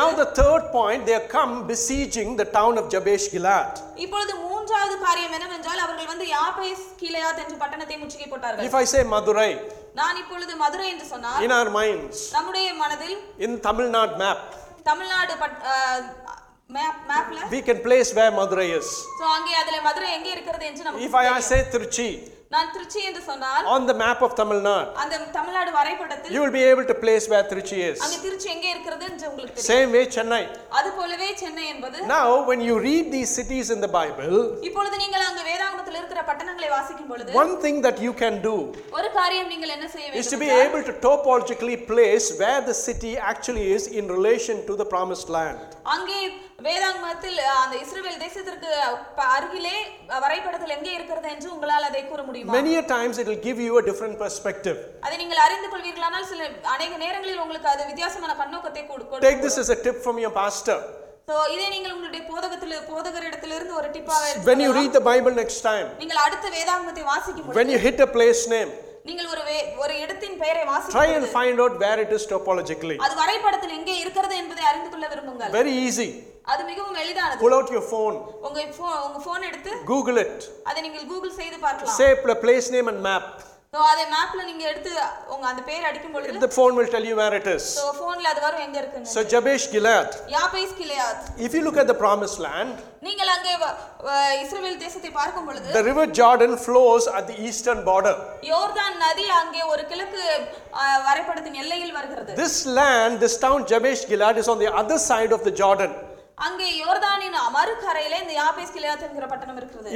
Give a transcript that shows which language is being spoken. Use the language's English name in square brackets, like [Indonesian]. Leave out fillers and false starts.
[English] now the third point they have come besieging the town of Jabesh Gilead [Tamil] இப்பொழுது மூன்றாவது காரியம் என்ன ஜால் அவர்கள் வந்து யாபேஸ் கீலேயாத் என்ற பட்டணத்தை முற்றுகை போட்டார்கள் [English] If I say Madurai [Tamil] நான் இப்பொழுது மதுரை என்று சொன்னால் [English] In our minds [Tamil] நம்முடைய மனதில் [English] In Tamil Nadu map [Tamil] Tamil Nadu மேப்ல [English] we can place where Madurai is [Tamil] so அங்கே அதுல மதுரை எங்க இருக்குது என்று நமக்கு [English] If I say Trichy [Tamil] நான் திருச்சி என்று சொன்னால் [English] on the map of Tamil Nadu [Tamil] அந்த தமிழ்நாடு வரைபடத்தில் [English] you will be able to place where Tiruchi is [Tamil] அங்க திருச்சி எங்க இருக்குது என்று உங்களுக்கு தெரியும் [English] same way Chennai [Tamil] அது போலவே சென்னை என்பது [English] now when you read these cities in the bible [Tamil] இப்பொழுது நீங்கள் அங்க வேதாகமத்தில் இருக்கிற பட்டணங்களை வாசிக்கும் பொழுது [English] one thing that you can do [Tamil] ஒரு காரியம் நீங்கள் என்ன செய்ய வேண்டும் [English] is to be able to topologically place where the city actually is in relation to the promised land [Tamil] அங்க வேதாகமத்தில் அந்த இஸ்ரவேல் தேசத்திற்கு அருகிலே வரைபடத்தில் எங்கே இருக்கிறது என்று உங்களால் அதை கூற முடியுமா [English] many a times it will give you a different perspective [Tamil] அது நீங்கள் அறிந்து கொள்வீர்களானால் சில அநேக நேரங்களில் உங்களுக்கு அது வித்தியாசமான கண்ணோக்கத்தை கொடுக்கும் [English] take this as a tip from your pastor [Tamil] so இதே நீங்கள் உங்களுடைய போதகத்தில் போதகர் இடத்திலிருந்து ஒரு டிப்பாக எடுத்து [English] when you read the bible next time [Tamil] நீங்கள் அடுத்த வேதாகமத்தை வாசிக்கும் பொழுது [English] when you hit a place name [Tamil] நீங்கள் ஒரு இடத்தின் பெயரை வாசிங்க [English] try and find out where it is topologically [Tamil] அது வரைபடத்தில் எங்கே இருக்கிறது என்பதை அறிந்து கொள்ள விரும்புங்கள் [English] very easy [Tamil] அது மிகவும் எளிதானது [English] pull out your phone [Tamil] உங்க போன் எடுத்து [English] google it [Tamil] அதை நீங்கள் google செய்து பார்க்கலாம் [English] say the place name and map [Tamil] so அதே மேப்ல நீங்க எடுத்து உங்க அந்த பெயர் அடிக்கும் பொழுது [English] the phone will tell you where it is [Tamil] so போன்ல அது வரும் எங்க இருக்குன்னு so ஜபேஷ் cloth Jabez cloth [English] if you look at the promised land [Tamil] நீங்கள் அங்கே இஸ்ரவேல் தேசத்தை பார்க்கும் பொழுது [English] the river jordan flows at the eastern border [Tamil] யோர்தான் நதி அங்கே ஒரு கிழக்கு வரைபடத்தின் எல்லையில் வருகிறது [English] this land this town Jabesh Gilead is on the other side of the jordan [Tamil] அங்கே யோர்தானின் மறுகரையில இந்த யாபேஸ் கிலாத் என்கிற பட்டணம் இருக்கிறது